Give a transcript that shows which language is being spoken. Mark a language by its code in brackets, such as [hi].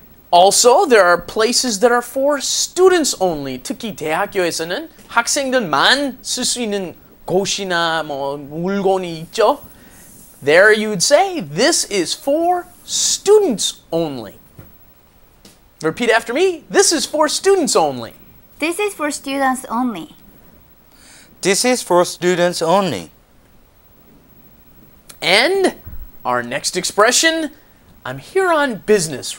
[en] Also, there are places that are for students only. [ko] 특히 대학교에서는 학생들만 쓸 수 있는 곳이나 뭐 물건이 있죠. [en] There you'd say, this is for students only. Repeat after me. This is for students only. This is for students only. This is for students only. And our next expression, I'm here on business.